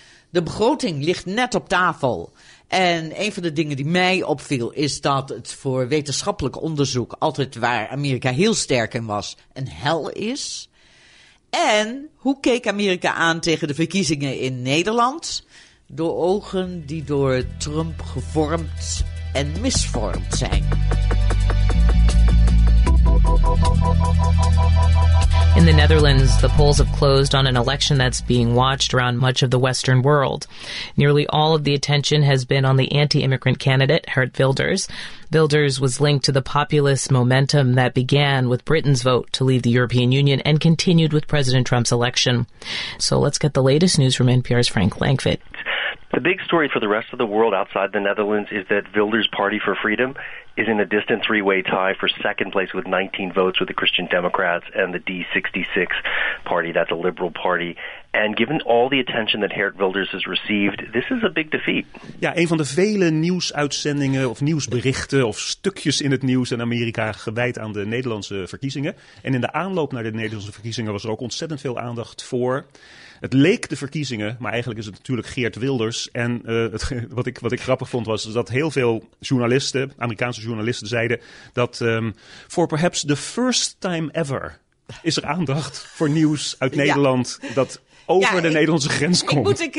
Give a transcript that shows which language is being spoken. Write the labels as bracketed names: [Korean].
[Dutch] De begroting ligt net op tafel. En een van de dingen die mij opviel is dat het voor wetenschappelijk onderzoek, altijd waar Amerika heel sterk in was, een hel is. En hoe keek Amerika aan tegen de verkiezingen in Nederland? Door ogen die door Trump gevormd en misvormd zijn. [English] In the Netherlands, the polls have closed on an election that's being watched around much of the Western world. Nearly all of the attention has been on the anti-immigrant candidate, Geert Wilders. Wilders was linked to the populist momentum that began with Britain's vote to leave the European Union and continued with President Trump's election. So let's get the latest news from NPR's Frank Langfitt. The big story for the rest of the world outside the Netherlands is that Wilders' Party for Freedom is in a distant three-way tie for second place with 19 votes with the Christian Democrats and the D66 party. That's a liberal party. And given all the attention that Geert Wilders has received, this is a big defeat. [Dutch] Ja, een van de vele nieuwsuitzendingen of nieuwsberichten of stukjes in het nieuws in Amerika gewijd aan de Nederlandse verkiezingen. En in de aanloop naar de Nederlandse verkiezingen was er ook ontzettend veel aandacht voor. Het leek de verkiezingen, maar eigenlijk is het natuurlijk Geert Wilders. En wat ik grappig vond was dat heel veel journalisten, Amerikaanse journalisten, zeiden dat [English] for perhaps the first time ever [Dutch] is er aandacht voor nieuws uit Nederland dat over de Nederlandse grens komt.